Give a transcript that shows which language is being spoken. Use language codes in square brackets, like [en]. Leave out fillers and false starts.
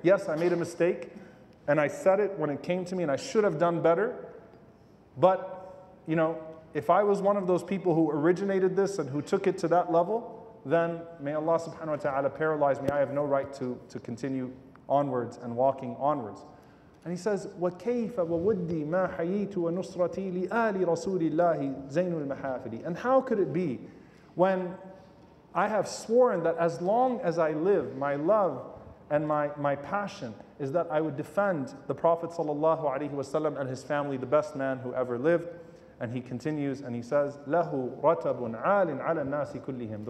[en] Yes, I made a mistake, and I said it when it came to me, and I should have done better. But, If I was one of those people who originated this and who took it to that level, then may Allah subhanahu wa ta'ala paralyze me. I have no right to continue onwards and walking onwards. And he says, [ar] وَكَيْفَ وَوُدِّي مَا حَيِّتُ وَنُصْرَتِي لِآلِ رَسُولِ اللَّهِ زَيْنُ الْمَحَافِلِ. [en] And how could it be when I have sworn that as long as I live, my love and my passion is that I would defend the Prophet sallallahu alaihi wasallam and his family, the best man who ever lived. And he continues and he says, [ar] لَهُ رَتَبٌ عَالٍ عَلَى النَّاسِ كُلِّهِمْ.